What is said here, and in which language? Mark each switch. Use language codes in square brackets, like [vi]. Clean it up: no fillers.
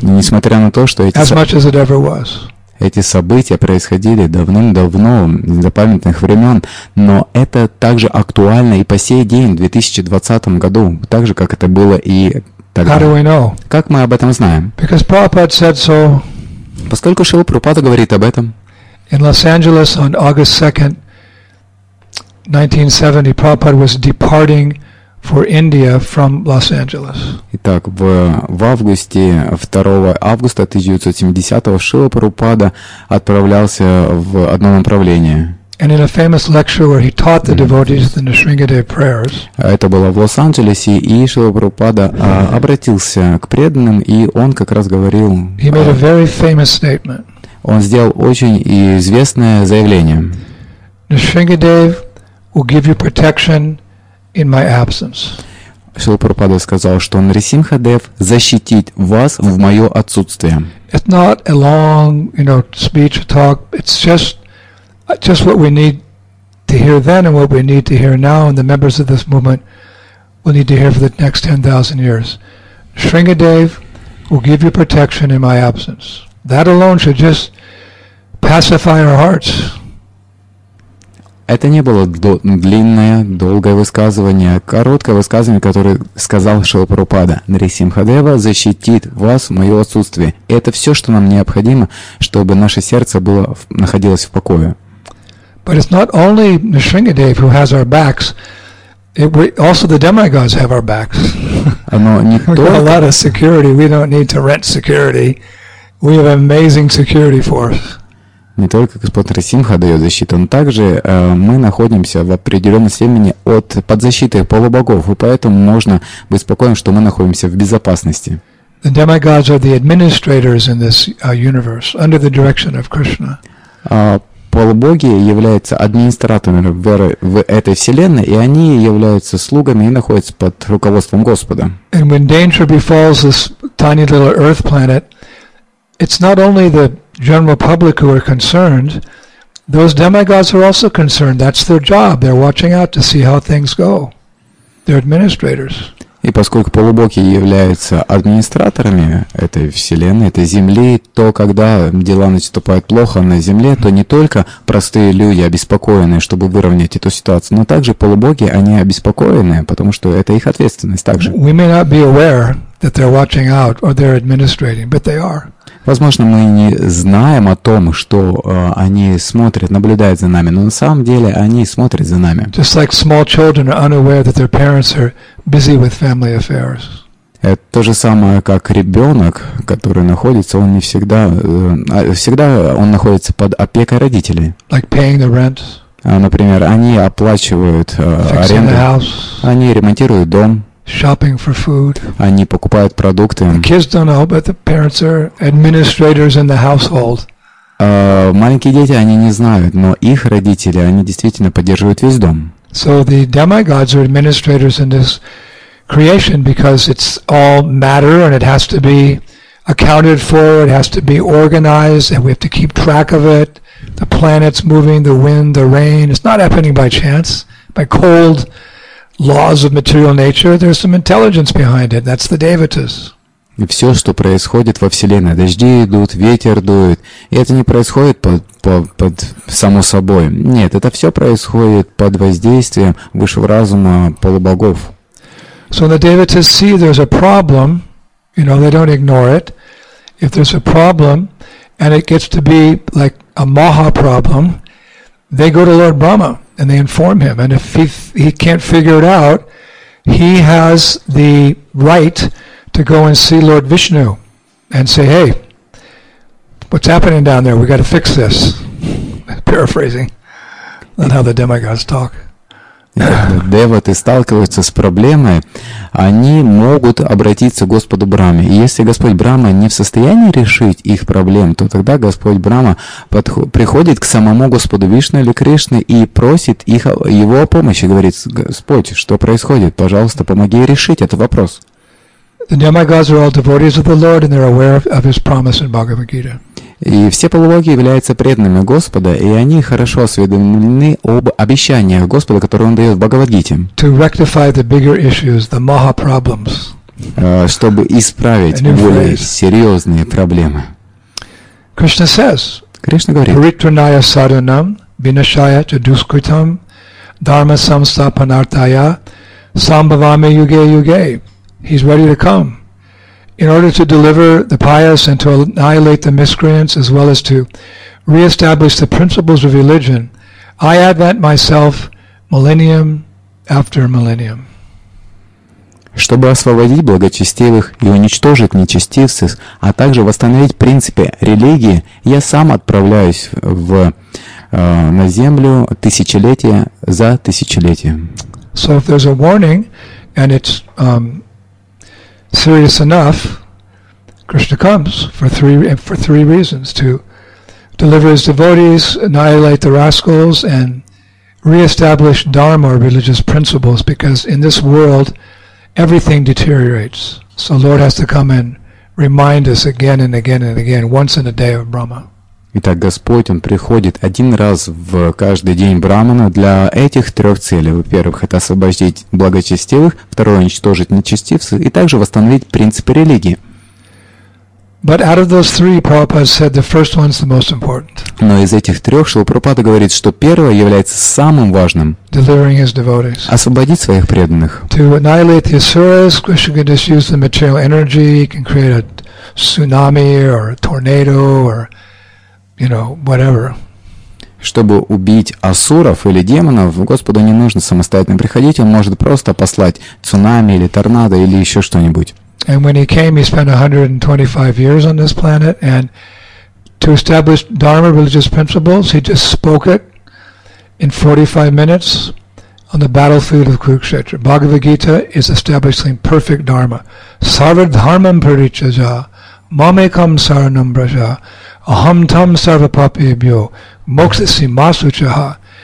[ru] Несмотря на то, что эти [en] as much as it ever was. [ru] Эти события происходили давным-давно, незапамятных времен, но это также актуально и по сей день, в 2020 году, так же, как это было и тогда. [en] How do we know? [ru] Как мы об этом знаем? [en] Because Prabhupada said so. [ru] Поскольку Шрила Прабхупада говорит об этом. [en] In Los Angeles on August 2nd, 1970, Prabhupada was departing for India from Los Angeles. [ru] Итак, в августе 2 августа 1970 Шрила Прабхупада отправлялся в одно направление. [en] And in a famous lecture where he taught the devotees the Nrisimhadev prayers. [ru] Это было в Лос-Анджелесе, и Шрила Прабхупада обратился к преданным, и он как раз говорил. [en] He made a very famous statement. [ru] Он сделал очень известное заявление. [en] Nrisimhadev will give you protection in my absence. [ru] Шрила Прабхупада сказал, что Нрисимхадев защитит вас в мое отсутствие. [en] It's not a long, you know, speech or talk. It's just what we need to hear then and what we need to hear now, and the members of this movement will need to hear for the next 10,000 years. Nrisimhadev will give you protection in my absence. That alone should just pacify our hearts. [ru] Это не было длинное, долгое высказывание, короткое высказывание, которое сказал Шрила Прабхупада. Нрисимхадева защитит вас в мое отсутствие. Это все, что нам необходимо, чтобы наше сердце было, находилось в покое. [en] But it's not only Nrisimhadev who has our backs. Also, the demigods have our backs. We've got a lot of security. We don't need to rent security. We have amazing security force. [ru] Не только Господь Нрисимха дает защиту, но также мы находимся в определенном времени от подзащиты полубогов, и поэтому можно быть спокойным, что мы находимся в безопасности. [en] The demigods are the administrators in this universe under the direction of Krishna. [ru] Полубоги являются администраторами в этой вселенной, и они являются слугами и находятся под руководством Господа. [en] And when danger befalls this tiny little earth planet, it's not only the general public who are concerned. Those demigods are also concerned. That's their job. They're watching out to see how things go. They're administrators. [ru] И поскольку полубоги являются администраторами этой вселенной, этой земли, то когда дела наступают плохо на земле, то не только простые люди обеспокоены, чтобы выровнять эту ситуацию, но также полубоги, они обеспокоены, потому что это их ответственность также. [en] We may not be aware that they're watching out or they're administrating, but they are. [ru] Возможно, мы не знаем о том, что они смотрят, наблюдают за нами, но на самом деле они смотрят за нами. [en] Just like small children are unaware that their parents are busy with family affairs. [ru] Это то же самое, как ребенок, который находится, он не всегда, всегда он находится под опекой родителей. [en] Like paying the rent. [ru] Например, они оплачивают аренду, [en] fixing the house, [ru] они ремонтируют дом. [en] Shopping for food. [ru] Они покупают продукты. [en] The kids don't know, but the parents are administrators in the household. [ru] Маленькие дети, они не знают, но их родители, они действительно поддерживают весь дом. [en] So the demigods are administrators in this creation because it's all matter and it has to be accounted for, it has to be organized, and we have to keep track of it. The planets moving, the wind, the rain. It's not happening by chance, by cold laws of material nature, there's some intelligence behind it. That's the devatas. [ru] И все, что происходит во Вселенной, дожди идут, ветер дует, и это не происходит под само собой. Нет, это все происходит под воздействием высшего разума полубогов. [en] So the devatas see there's a problem, you know, they don't ignore it. If there's a problem, and it gets to be like a maha problem, they go to Lord Brahma. And they inform him. And if he can't figure it out, he has the right to go and see Lord Vishnu and say, "Hey, what's happening down there? We got to fix this." Paraphrasing, not how the demigods talk. [ru] Деваты сталкиваются с проблемой, они могут обратиться к Господу Брахме. И если Господь Брахма не в состоянии решить их проблем, то тогда Господь Брахма приходит к самому Господу Вишну или Кришне и просит их, его о помощи, говорит: «Господь, что происходит? Пожалуйста, помоги решить этот вопрос». [en] The demigods are all devotees of the Lord, and they're aware of His promise in Bhagavad Gita. [ru] И все полубоги являются преданными Господа, и они хорошо осведомлены об обещаниях Господа, которые Он дает в Бхагавад-гите. [en] To rectify the bigger issues, the maha problems. [ru] Чтобы исправить более серьезные проблемы. [en] Krishna says. [ru] Кришна говорит. [sa] Paritranaya sadhanam vinashaya ca duskritam dharma samsthapanartaya sambhavami yuge yuge. [en] He's ready to come. In order to deliver the pious and to annihilate the miscreants, as well as to reestablish the principles of religion, I advent myself millennium after millennium. [ru] Чтобы освободить благочестивых и уничтожить нечестивцев, а также восстановить принципы религии, я сам отправляюсь на землю тысячелетия за тысячелетием. [en] So if there's a warning, and it's serious enough, Krishna comes for three reasons: to deliver his devotees, annihilate the rascals, and reestablish dharma or religious principles, because in this world everything deteriorates. So Lord has to come and remind us again and again and again, once in a day of Brahma. [ru] Итак, Господь, Он приходит один раз в каждый день Брахмана для этих трех целей. Во-первых, это освободить благочестивых, второе, уничтожить нечестивцев, и также восстановить принципы религии. [en] But out of those three, Prabhupada said the first one's the most important. [ru] Но из этих трех, Шрила Прабхупада говорит, что первое является самым важным. [en] Delivering his devotees. [ru] Освободить своих преданных. [en] To annihilate the asuras, Krishna can just use the material energy, he can create a tsunami or a tornado or, you know, whatever. [ru] Чтобы убить асуров или демонов, Господу не нужно самостоятельно приходить, Он может просто послать цунами или торнадо или еще что-нибудь. [en] And when he came, he spent 125 years on this planet, and to establish dharma, religious principles, he just spoke it in 45 minutes on the battlefield of Kurukshetra. Bhagavad Gita is establishing perfect dharma. [sa] Sarva dharmam parichaja, mamekam saranam braja, aham tam sarva papebhyo, moksasi masuchaha.